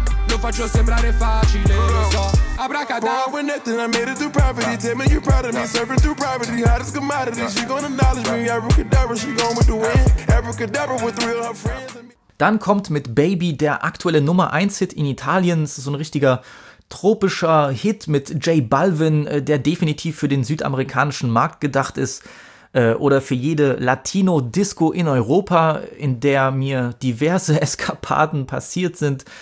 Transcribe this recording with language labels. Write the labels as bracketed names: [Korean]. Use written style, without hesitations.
[Italian] Non faccio sembrare facile, lo so. [English] Abracadabra. Bro, I went nothing, I made it through poverty. Tell me you proud of me, serving through poverty. Hottest commodity, she gonna acknowledge me. Abracadabra, she going with the wind. Abracadabra with real her friends. [German] Dann kommt mit Baby der aktuelle Nummer 1 Hit in Italien. Das ist so ein richtiger tropischer Hit mit J Balvin, der definitiv für den südamerikanischen Markt gedacht ist. Oder für jede Latino-Disco in Europa, in der mir diverse Eskapaden passiert sind.